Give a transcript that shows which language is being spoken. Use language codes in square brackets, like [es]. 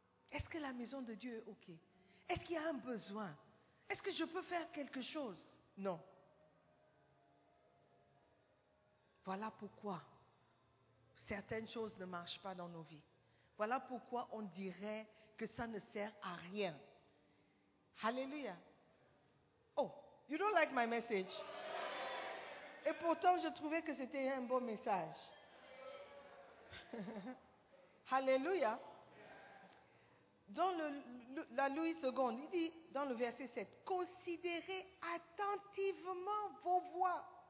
[fr] Est-ce que la maison de Dieu est OK? Est-ce qu'il y a un besoin? Est-ce que je peux faire quelque chose? Non. Voilà pourquoi certaines choses ne marchent pas dans nos vies. Voilà pourquoi on dirait que ça ne sert à rien. Alléluia. [en] Oh, you don't like my message? [fr] Et pourtant, je trouvais que c'était un bon message. Alléluia. Dans la Louis II, il dit dans le verset 7, considérez attentivement vos voies.